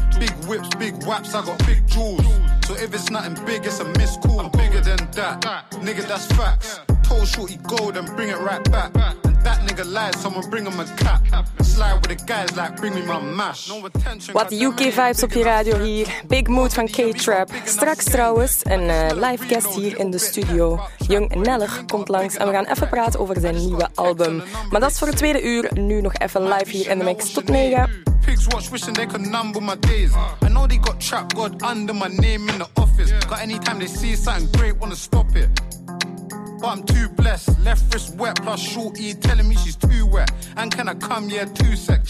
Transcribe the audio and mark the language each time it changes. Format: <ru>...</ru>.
<en>Big whips, big whaps, I got big jewels. So if it's nothing big, it's a missed call. I'm bigger than that, nigga, that's facts. Told shorty go, then bring it right back. And that nigga lied, someone bring him a cap. Slide with the guys like, bring me my mash.</en> <nl>Wat</nl> <en>UK vibes</en> <nl>op je radio hier.</nl> <en>Big mood</en> <nl>van K-Trap. Straks trouwens een live guest hier in de studio. Young Nnelg komt langs en we gaan even praten over zijn nieuwe album. Maar dat is voor het tweede uur. Nu nog even live hier in de mix. Tot 9.</nl> <en>Pigs watch wishing they could number my days. I know they got trap god under my name in the office. Got any time they see something great, wanna stop it. But I'm too blessed. Left wrist wet plus shorty telling me she's too wet. And can I come? Yeah, too sex.</en>